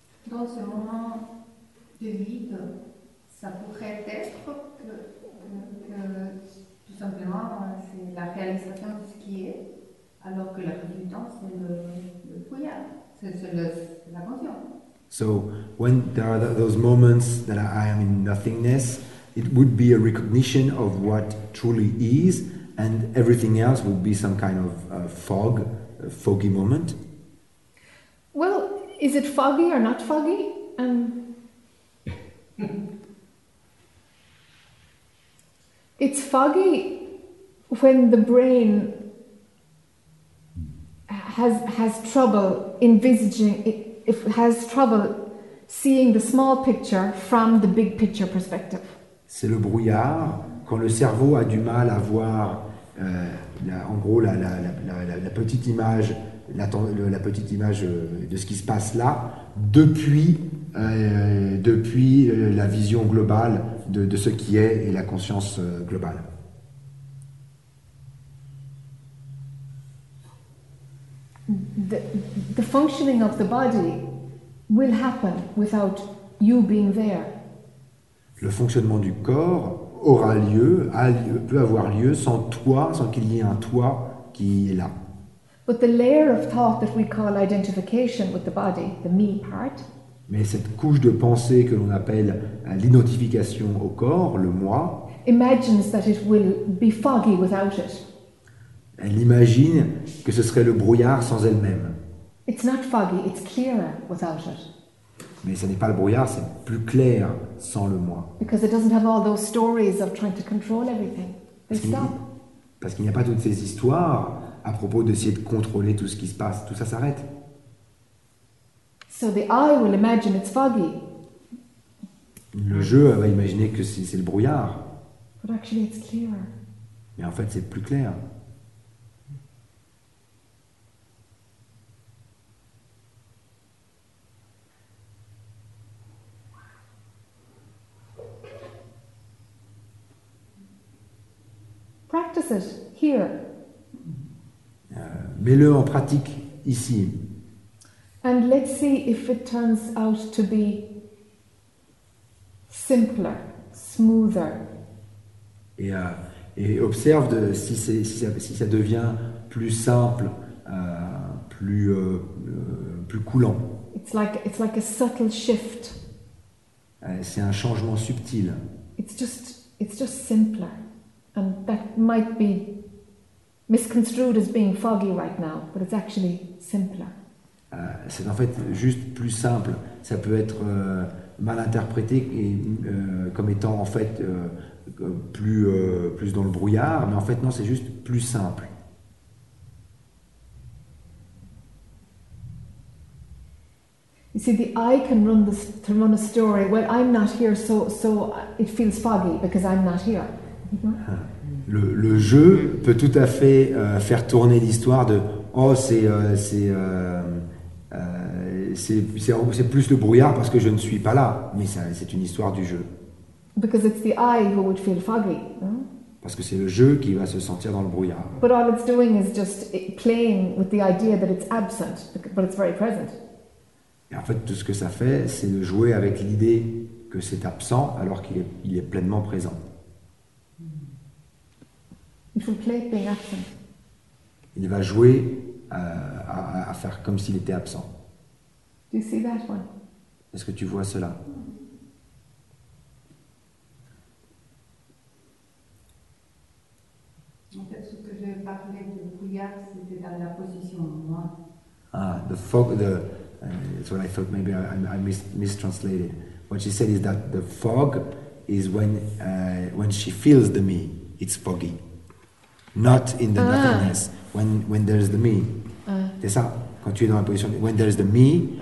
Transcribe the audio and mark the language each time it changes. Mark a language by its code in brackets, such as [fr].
[fr] Dans ce moment de vide, ça pourrait être que tout simplement, c'est la réalisation de ce qui est, alors que la plupart du temps, c'est le brouillard, c'est la conscience. [en] So when there are those moments that I am in nothingness, it would be a recognition of what truly is, and everything else would be some kind of fog, a foggy moment. Well, is it foggy or not foggy? It's foggy when the brain has trouble envisaging it. If it has trouble seeing the small picture from the big picture perspective. [fr] C'est le brouillard quand le cerveau a du mal à voir la petite image de ce qui se passe là depuis la vision globale de ce qui est et la conscience globale. [en] The functioning of the body will happen without you being there. [fr] Le fonctionnement du corps peut avoir lieu sans toi, sans qu'il y ait un toi qui est là. [en] But the layer of thought that we call identification with the body, the me part. [fr] Mais cette couche de pensée que l'on appelle l'identification au corps, le moi, [en] imagines that it will be foggy without it. [fr] Elle imagine que ce serait le brouillard sans elle-même. [en] It's not foggy, it's clearer without it. [fr] Mais ce n'est pas le brouillard, c'est plus clair sans le moi. [en] Because it doesn't have all those stories of trying to control everything. They stop. [fr] Parce qu'il n'y a pas toutes ces histoires à propos d'essayer de contrôler tout ce qui se passe. Tout ça s'arrête. [en] So the eye will imagine it's foggy. [fr] Le jeu va imaginer que c'est le brouillard. [en] But actually it's clearer. [fr] Mais en fait c'est plus clair. [en] Practice it here. [fr] Mets-le en pratique ici. [en] And let's see if it turns out to be simpler, smoother, [fr] Et observe de, si, c'est, si, ça, si ça devient plus simple, plus coulant. [en] It's like a subtle shift. [fr] C'est un changement subtil. [en] It's just simpler, and that might be misconstrued as being foggy right now, but it's actually simpler. [fr] C'est en fait juste plus simple. Ça peut être mal interprété et, comme étant en fait plus dans le brouillard, mais en fait non, c'est juste plus simple. [en] You see, the eye can run a story. Well, I'm not here, so it feels foggy because I'm not here. [fr] Le jeu peut tout à fait faire tourner l'histoire de c'est plus le brouillard parce que je ne suis pas là, mais ça, c'est une histoire du jeu. [en] Because it's the eye who would feel foggy. Hein? [fr] Parce que c'est le jeu qui va se sentir dans le brouillard. [en] But all it's doing is just playing with the idea that it's absent, but it's very present. [fr] Et en fait, tout ce que ça fait, c'est de jouer avec l'idée que c'est absent alors qu'il est pleinement présent. Il va jouer à faire comme s'il était absent. [en] Do you see that one? [fr] Est-ce que tu vois cela? En fait, ce que je parlais de brouillard, c'était dans la position de moi. [en] Ah, the fog, that's what I thought, maybe I mistranslated. What she said is that the fog is when she feels the me, it's foggy. Not in the nothingness, when there's the me. [fr] C'est ça, quand tu es dans la position, [en] when there's the me,